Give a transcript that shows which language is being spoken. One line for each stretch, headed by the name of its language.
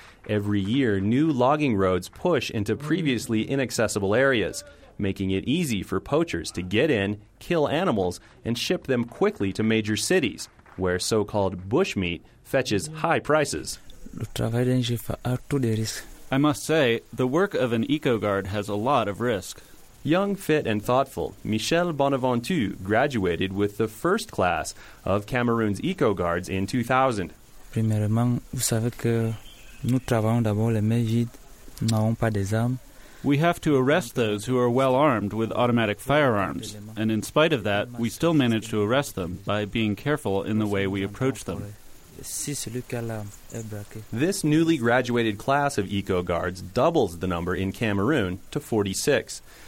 English: Every year, new logging roads push into previously inaccessible areas, making it easy for poachers to get in, kill animals, and ship them quickly to major cities, where so-called bushmeat fetches high prices. I must say, the work of an eco-guard has a lot of risk. Young, fit, and thoughtful, Michel Bonaventure graduated with the first class of Cameroon's eco-guards in 2000.
French: Premièrement, vous savez que nous travaillons d'abord les mains vides, nous n'avons pas des armes.
English: We have to arrest those who are well-armed with automatic firearms, and in spite of that, we still manage to arrest them by being careful in the way we approach them. This newly graduated class of eco-guards doubles the number in Cameroon to 46.